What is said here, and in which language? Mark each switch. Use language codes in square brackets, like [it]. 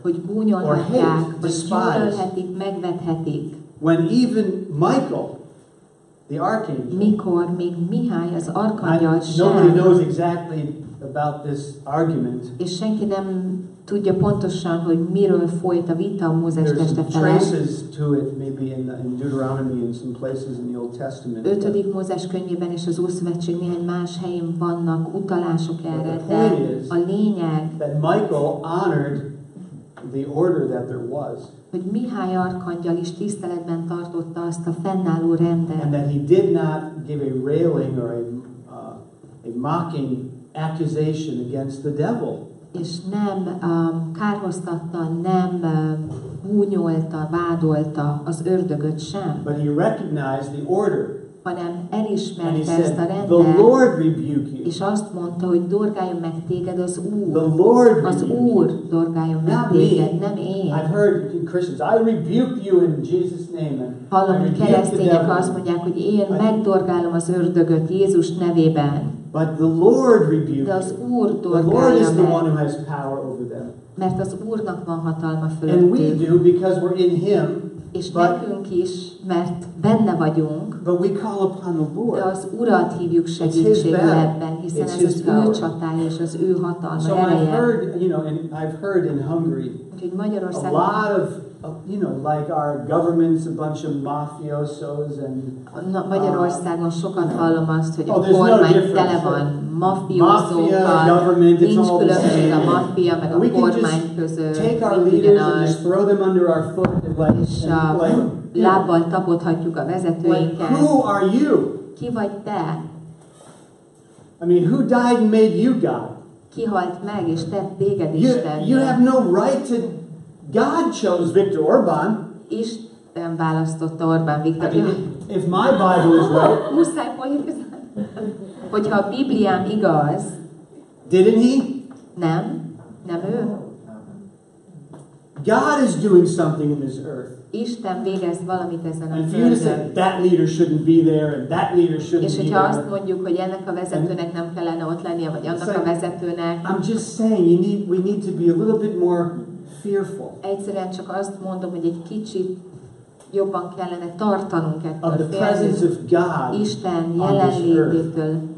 [hu] hogy gúnyolhatják, gyűlölhetik, megvethetik. [en] When even Michael, the archangel, [hu] mikor még Mihály az arkangyal sem. [en] Nobody knows exactly about this argument. [hu] És senki nem tudja pontosan, hogy miről folyt a vita a Mózes teste felett. [en] There's traces to it maybe in Deuteronomy and some places in the Old Testament. [hu] 5. Mózes könyvében és az Ószövetség néhány más helyén vannak utalások erre, de a lényeg, [en] that Michael honored the order that there was. [hu] Hogy Mihály arkangyal is tiszteletben tartotta azt a fennálló rendet. [en] And that he did not give a railing or a mocking accusation against the devil. [hu] És nem kárhoztatta, nem búnyolta, vádolta az ördögöt sem. [en] But he recognized the order. [hu] Hanem elismerte ezt a rendet. [en] The Lord rebuke you. [hu] És azt mondta, hogy dorgáljon meg téged az Úr. [en] The Lord [hu] az Úr dorgáljon meg [en] not [hu] téged, [en] me. [hu] Nem én. [en] I've heard Christians, I rebuke you in Jesus' name. [hu] Hallom, hogy keresztények azt mondják, hogy én megdorgálom az ördögöt Jézus nevében. [en] But the Lord rebuked. [hu] De az Úr dorgálja. [en] The Lord is the one who has power over them. [hu] Mert az Úrnak van hatalma fölöttük. [en] And we do because we're in Him. [hu] És nekünk is, mert benne vagyunk. [en] But we call upon the Lord. [hu] De az Urat hívjuk segítségül ebben, hiszen ez az ő csatája és az ő hatalma ereje. [en] So I've heard in Hungary. [hu] Úgyhogy Magyarországon. [en] A lot of like our government's a bunch of mafiosos and. [hu] Magyarországon sokat hallom azt, hogy a kormány tele van mafiosokkal. [en] Mafia, government, [hu] nincs különbség a mafia meg a kormány között. [en] Take our leaders and just throw them under our foot and [hu] lábbal tapodhatjuk a vezetőinket. [en] Like, who are you? [hu] Ki vagy te? [en] I mean, who died and made you God? [hu] Ki halt meg és tett téged Isten? [en] You have no right to. God chose Viktor Orbán. [hu] Isten választotta Orbán Viktor. [en] I mean, if my Bible is right. [hu] Muszáj folytatni. Hogyha a Bibliám igaz. [en] Didn't he? [hu] Nem. Nem ő. [en] God is doing something in this earth. [hu] Isten végez valamit ezen a földön. [en] And if you said that leader shouldn't be there and that leader shouldn't be there. [hu] És hogyha azt mondjuk, hogy ennek a vezetőnek nem kellene ott lennie, vagy annak a vezetőnek. [en] I'm just saying, we need to be a little bit more fearful. [hu] Egyszerűen csak azt mondom, hogy egy kicsit jobban kellene tartanunk ettől. [en] Of the presence of God. [hu] Isten jelenlététől.